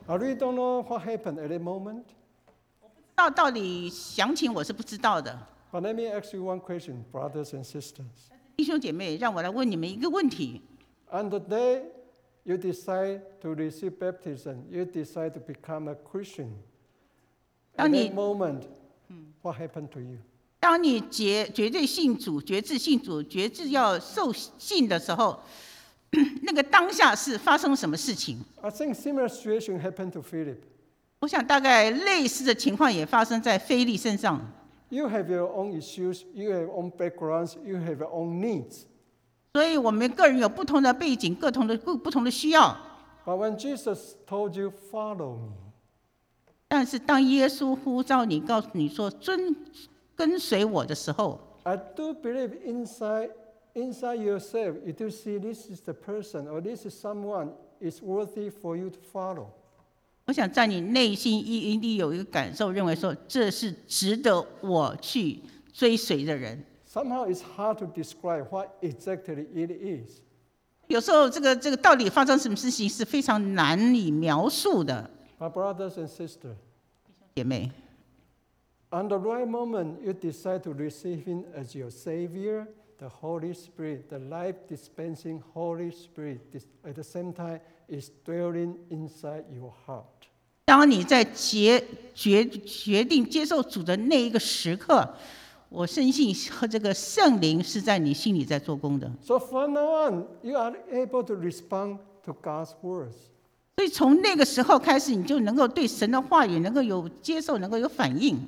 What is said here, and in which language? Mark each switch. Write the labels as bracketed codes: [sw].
[en] I really don't know what happened at that moment. [zh] 我不知道到底详情，我是不知道的。 [en] But let me ask you one question, brothers and sisters. [zh] 弟兄姐妹，让我来问你们一个问题。 [en] On the day you decide to receive baptism, you decide to become a Christian. At that moment, what happened to you? [zh] 当你决志要受浸的时候。那个当下是发生什么事情 [en] ？I think similar situation happened to Philip. [zh] 我想大概类似的情况也发生在腓力身上。 [en] You have your own issues, you have your own backgrounds, you have your own needs. [zh] 所以我们个人有不同的背景，不同的需要。 [en] But when Jesus told you follow me, [zh] 但是当耶稣呼召你，告诉你说跟随我的时候 [en] ，I do believe inside yourself, you do see this is the person or this is someone is worthy for you to follow. [zh] 我想在你内心一定有一个感受，认为说这是值得我去追随的人。 [en] Somehow it's hard to describe what exactly it is. [zh] 有时候这个到底发生什么事情是非常难以描述的。 [en] My brothers and sisters, [zh] 姐妹 [en] ，On the right moment, you decide to receive him as your savior. The Holy Spirit, the life-dispensing Holy Spirit, at the same time is dwelling inside your heart. [zh] 当你在决定接受主的那一个时刻，我深信和这个圣灵是在你心里在做工的。 [en] So from now on, you are able to respond to God's words. [zh] 所以从那个时候开始，你就能够对神的话语能够有接受，能够有反应。